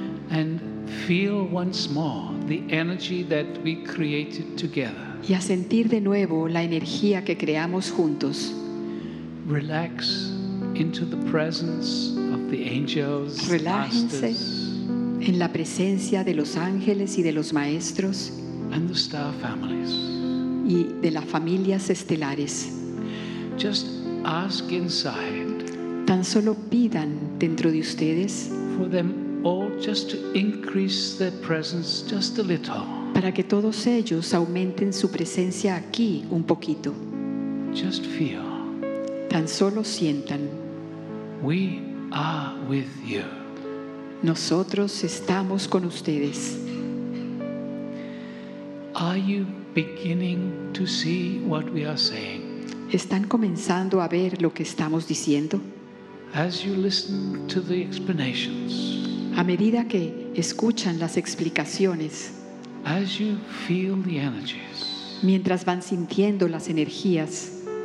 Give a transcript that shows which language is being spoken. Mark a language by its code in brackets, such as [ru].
[en] and feel once more the energy that we created together. [es] Y a sentir de nuevo la energía que creamos juntos. [en] Relax into the presence of the angels, [es] relájense en la presencia de los ángeles y de los maestros, [en] and the star families, [es] y de las familias estelares. [en] Just ask inside, [es] tan solo pidan dentro de ustedes, [en] for them all just to increase their presence just a little, [es] para que todos ellos aumenten su presencia aquí un poquito. [en] Just feel. [es] Tan solo sientan. [en] We are with you. [es] Nosotros estamos con ustedes. [en] Are you beginning to see what we are saying? [es] ¿Están comenzando a ver lo que estamos diciendo? [en] As you listen to the explanations. [es] A medida que escuchan las explicaciones. [en] As you feel the energies. [es] Mientras van sintiendo las energías.